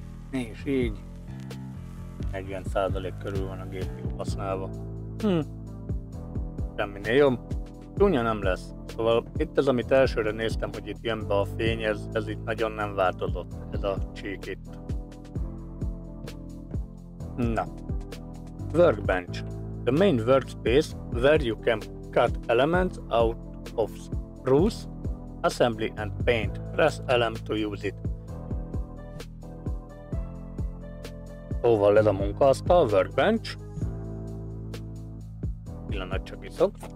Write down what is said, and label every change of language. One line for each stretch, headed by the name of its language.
Hungarian: És így 40% körül van a GPU használva. Semminél jobb. Csúnya nem lesz. Szóval itt az, amit elsőre néztem, hogy itt jön be a fény, ez itt nagyon nem változott, ez a csík itt. Na. Workbench.
English: The main workspace where you can cut elements out of sprues, assembly and paint. Press LM to use it.
Hungarian: Szóval ez a munkaasztal, workbench. Pillanat csak iszok.